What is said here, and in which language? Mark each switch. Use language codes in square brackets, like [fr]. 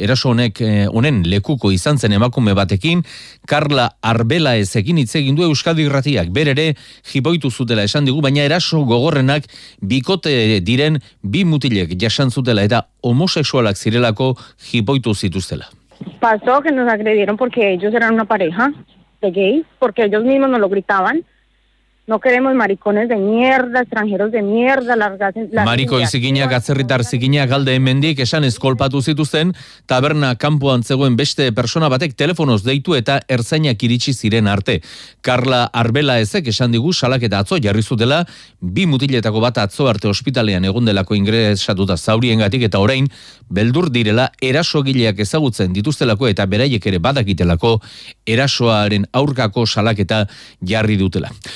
[eu] Eraso honek honen lekuko izan zen emakume batekin, Carla Arbela ezekin hitz egin du Euskadi Irratiak. Berere jipoitu zutela esan digu, baina eraso gogorrenak bikote diren bi mutilek jasan zutela eta homosexualak zirelako jipoitu zituztela. [es] Pasó que nos agredieron porque ellos eran una pareja de gays, porque ellos mismos nos lo gritaban. No queremos maricones de mierda, extranjeros de mierda, largas... [eu] Mariko izikinak, atzerritar zikinak alde hemendik esan eskolpatu zituzten, taberna kanpoan zegoen beste persona batek telefonoz deitu eta ertzainak iritsi ziren arte. Carla Arbela ezek esan digu salaketa atzo jarri zutela, bi mutiletako bat atzo arte ospitalean egondelako ingresatuta zauriengatik eta orain, beldur direla erasogileak ezagutzen dituztelako eta beraiek ere badakitelako erasoaren aurkako salaketa jarri dutela.